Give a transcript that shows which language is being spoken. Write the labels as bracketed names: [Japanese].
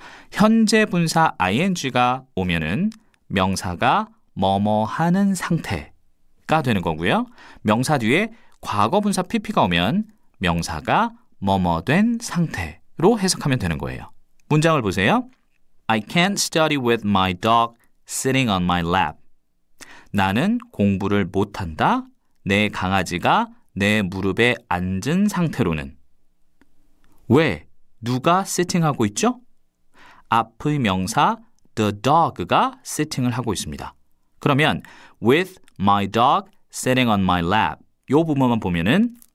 [Korean] 현재 분사 ing가 오면은 명사가 뭐뭐하는 상태가 되는 거고요. 명사 뒤에 과거분사 pp가 오면 명사가 뭐뭐된 상태로 해석하면 되는 거예요. 문장을 보세요. [English] I can't study with my dog sitting on my lap. [Korean] 나는 공부를 못한다. 내 강아지가 내 무릎에 앉은 상태로는. 왜? 누가 sitting하고 있죠? 앞의 명사 the dog가 sitting을 하고 있습니다. 그러면 [English] with my dog sitting on my lap [Korean] 이 부분만 보면은